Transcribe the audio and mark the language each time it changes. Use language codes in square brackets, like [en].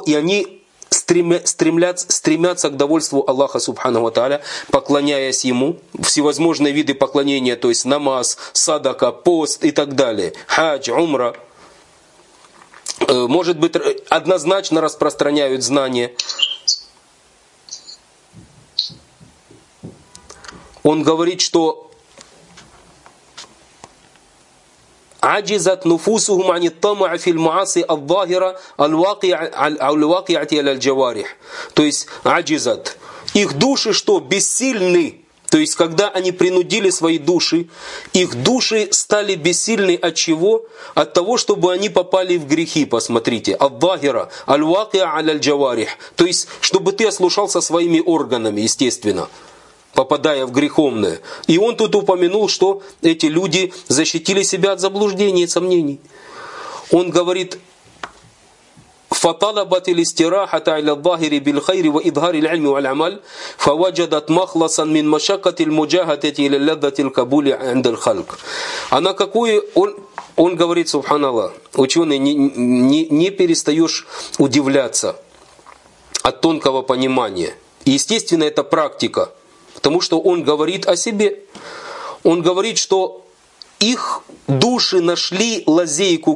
[ru] И они стремятся к довольству Аллаха, субхану ва тааля, поклоняясь Ему, всевозможные виды поклонения, то есть намаз, садака, пост и так далее, хадж, умра. может быть, однозначно распространяют знания. Он говорит, что [ar] عجزت نفوسهم عن الطمع في المعاصي الظاهرة الواقعة على الجوارح. [ru] То есть عجزت. Их души что, бессильны? То есть когда они принудили свои души, их души стали бессильны от чего? От того, чтобы они попали в грехи, посмотрите. [ar] الظاهرة الواقعة على الجوارح. [ru] То есть чтобы ты ослушался своими органами, естественно, попадая в греховное. И он тут упомянул, что эти люди защитили себя от заблуждений и сомнений. Он говорит: [ar] فطلبت الاستراحة على الظاهر بالخير وإظهار العلم والعمل فوجدت مخلصا من مشقة المجاهدة إلى لذة القبول عند الخلق. [ru] Она какую, он говорит, субханаллах, ученый, не перестаешь удивляться от тонкого понимания. И естественно, это практика. Потому что он говорит о себе. Он говорит, что их души нашли лазейку.